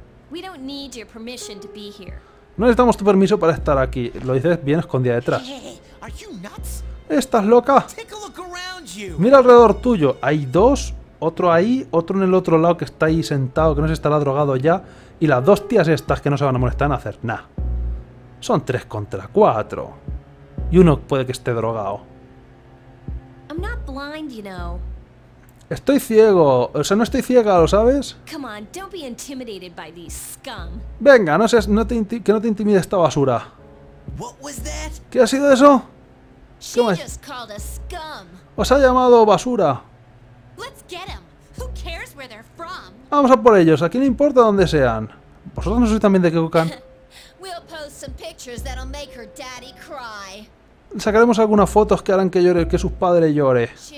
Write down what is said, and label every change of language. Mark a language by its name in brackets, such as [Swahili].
[English] We don't need your permission to be here. [Spanish] No necesitamos tu permiso para estar aquí. Lo dices bien escondida detrás. [English] Hey, are you nuts? [Spanish] ¿Estás loca? [English] Take a look around you. [Spanish] Mira alrededor tuyo. Hay dos. Otro ahí, otro en el otro lado que está ahí sentado, que no se estará drogado ya. Y las dos tías estas que no se van a molestar en hacer nada. Son tres contra cuatro. Y uno puede que esté drogado. [English] I'm not blind, you know. [Spanish] Estoy ciego, o sea, no estoy ciega, ¿lo sabes? [English] Come on, don't be intimidated by these scum. [Spanish] Venga, no seas, no te intimide esta basura. [English] What was that? [Spanish] ¿Qué ha sido eso? ¿Cómo es? [English] Just called us scum. [Spanish] Os ha llamado basura. [English] Let's get them. Who cares where they're from? [Spanish] Vamos a por ellos, ¿a quién le importa dónde sean? ¿Vosotros no sois también de Kekukan? [English] We'll post some pictures that'll make her daddy cry. [Spanish] Sacaremos algunas fotos que harán que llore, que sus padres llore.